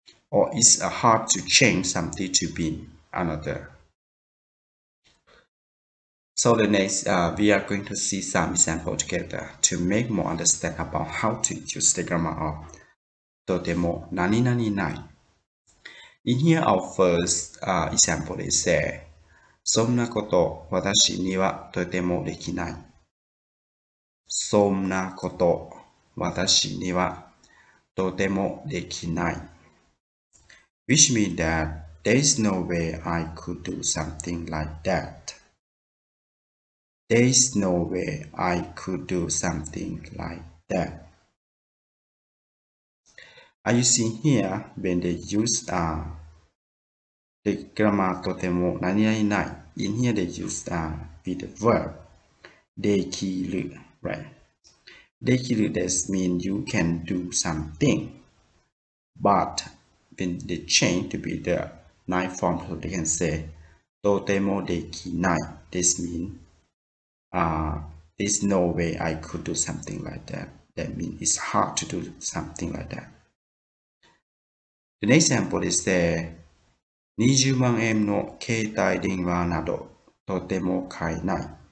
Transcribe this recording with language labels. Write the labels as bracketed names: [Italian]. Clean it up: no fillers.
[English] Or it's hard to change something to be another. So the next, we are going to see some examples together to make more understand about how to use the grammar of totemo nani nani nai. In here, our first example is there. [Japanese] そんなこと私にはとてもできない。そんなこと私にはとてもできない。 [English] Which means that there is no way I could do something like that. There is no way I could do something like that. As you see here, when they use the grammar totemo nani nani nai, in here they use with the verb dekiru, right? Dekiru does mean you can do something, but when they change to be the nai form, so they can say [Japanese] totemo dekinai. [English] This means there's no way I could do something like that. That means it's hard to do something like that. The next example is there. [Japanese] 20万円の携帯電話などとても買えない。